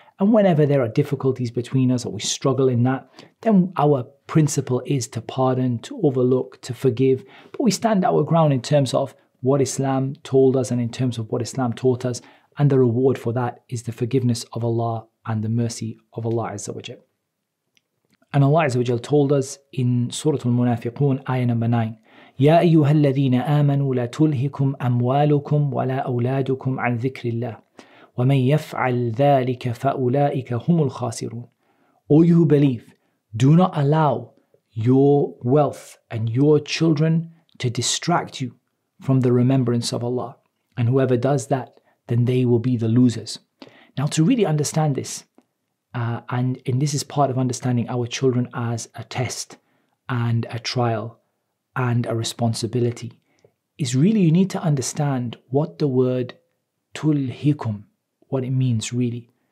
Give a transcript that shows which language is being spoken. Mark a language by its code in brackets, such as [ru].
[en] And whenever there are difficulties between us or we struggle in that, then our principle is to pardon, to overlook, to forgive. But we stand our ground in terms of what Islam told us and in terms of what Islam taught us. And the reward for that is the forgiveness of Allah and the mercy of Allah Azza wa Jal. And Allah Azza wa Jal told us in Surah Al-Munafiqun, ayah number 9, [ar] يَا أَيُّهَا الَّذِينَ آمَنُوا لَا تُلْهِكُمْ أَمْوَالُكُمْ وَلَا أَوْلَادُكُمْ عَنْ ذِكْرِ اللَّهِ وَمَنْ يَفْعَلْ ذَٰلِكَ فَأُولَٰئِكَ هُمُ الْخَاسِرُونَ. [en] O you who believe, do not allow your wealth and your children to distract you from the remembrance of Allah. And whoever does that, then they will be the losers. Now, to really understand this, and this is part of understanding our children as a test and a trial and a responsibility, is really you need to understand what the word tulhikum, what it means really.